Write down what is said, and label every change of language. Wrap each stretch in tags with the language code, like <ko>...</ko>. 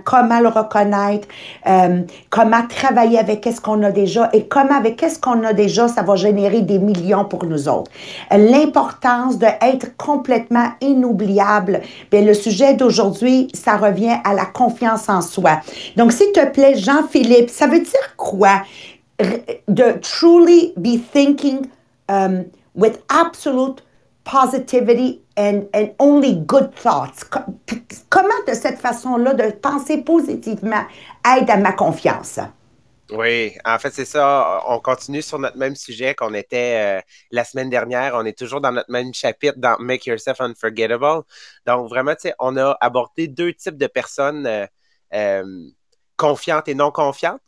<fr>Comment le reconnaître? Comment travailler avec qu'est-ce qu'on a déjà? Et comment avec qu'est-ce qu'on a déjà, ça va générer des millions pour nous autres? L'importance d'être complètement inoubliable. Bien, le sujet d'aujourd'hui, ça revient à la confiance en soi. Donc, s'il te plaît, Jean-Philippe, ça veut dire quoi?</fr> <en>De truly be thinking with absolute positivity and only good thoughts.</en> <fr>Comment de cette façon-là de penser positivement aide à ma confiance? Oui, en fait, c'est ça. On continue sur notre même sujet qu'on était la semaine dernière. On est toujours dans notre même chapitre dans Make Yourself Unforgettable. Donc, vraiment, tu sais, on a abordé deux types de personnes confiantes et non confiantes.</fr>